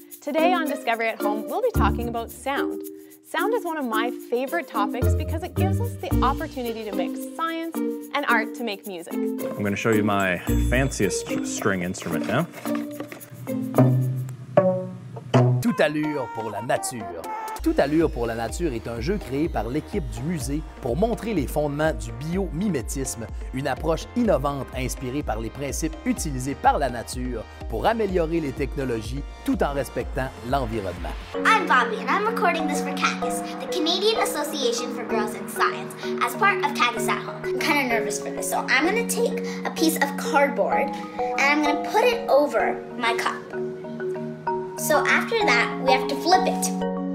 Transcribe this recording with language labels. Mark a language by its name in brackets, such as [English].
[English] Today on Discovery at Home, we'll be talking about sound. Sound is one of my favorite topics because it gives us the opportunity to mix science and art to make music. I'm going to show you my fanciest string instrument now. [French] Tout allure pour la nature. Tout allure pour la nature est un jeu créé par l'équipe du musée pour montrer les fondements du biomimétisme, une approche innovante inspirée par les principes utilisés par la nature pour améliorer les technologies tout en respectant l'environnement. [English] I'm Bobby and I'm recording this for CASC, the Canadian Association for Girls in Science, as part of CASC at Home. I'm kind of nervous for this, so I'm going to take a piece of cardboard and I'm going to put it over my cup. So after that, we have to flip it.